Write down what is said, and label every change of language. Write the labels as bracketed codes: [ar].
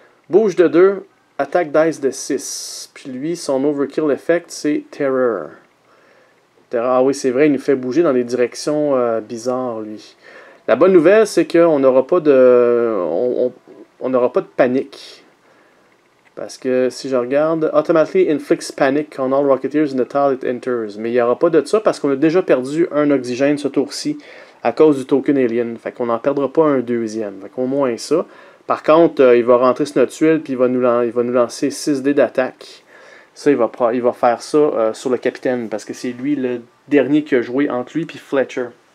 [fr] Bouge de 2, attaque dice de 6. Puis lui, son overkill effect, c'est Terror. Terror, ah oui, c'est vrai, il nous fait bouger dans des directions bizarres, lui. La bonne nouvelle, c'est qu'on n'aura pas de. On n'aura pas de panique. Parce que si je regarde. [en] Automatically inflicts panic on all rocketeers in the tile it enters. [fr] Mais il n'y aura pas de ça parce qu'on a déjà perdu un oxygène ce tour-ci à cause du token alien. Fait qu'on n'en perdra pas un deuxième. Fait qu'au moins ça. Par contre, il va rentrer sur notre tuile puis il va nous lancer 6 dés d'attaque. Ça, il va faire ça sur le capitaine parce que c'est lui le dernier qui a joué entre lui et Fletcher.